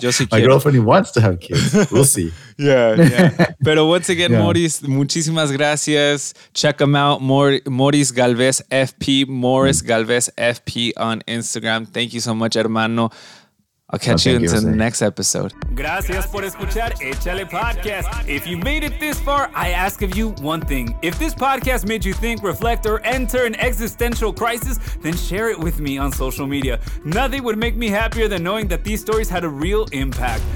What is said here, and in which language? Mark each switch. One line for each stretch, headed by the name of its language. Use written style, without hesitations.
English: My girlfriend wants to have kids. We'll see. Yeah. Pero once again, Moris,
Spanish: muchísimas gracias.
English: Check them out. Moris Galvez FP, Moris Galvez FP on Instagram. Thank you so much, hermano. I'll catch you until the next episode.
Spanish: Gracias por escuchar Échale Podcast.
English: If you made it this far, I ask of you one thing. If this podcast made you think, reflect, or enter an existential crisis, then share it with me on social media. Nothing would make me happier than knowing that these stories had a real impact.